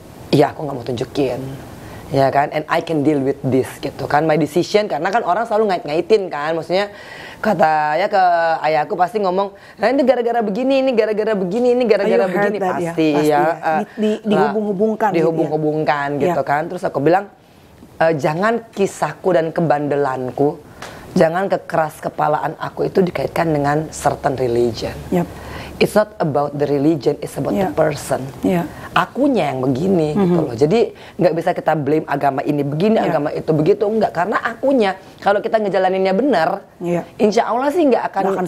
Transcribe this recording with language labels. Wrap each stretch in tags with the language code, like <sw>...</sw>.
<id>Iya, aku gak mau tunjukin, ya kan,</id> <en>and I can deal with this</en> <id>gitu kan,</id> <en>my decision,</en> <id>karena kan orang selalu ngait-ngaitin kan, maksudnya katanya ke ayahku pasti ngomong, nah ini gara-gara begini, ini gara-gara begini, ini gara-gara begini, pasti, pasti ya. Dihubung-hubungkan. Dihubung-hubungkan gitu kan. Terus aku bilang, jangan kisahku dan kebandelanku jangan kekeras kepalaan aku itu dikaitkan dengan</id> <en>certain religion. Yep. It's not about the religion, it's about the person. Yeah.</en> <id>Akunya yang begini gitu loh. Jadi nggak bisa kita blame agama ini begini, agama itu begitu, enggak. Karena akunya, kalau kita ngejalaninnya benar, insya Allah sih nggak akan</id>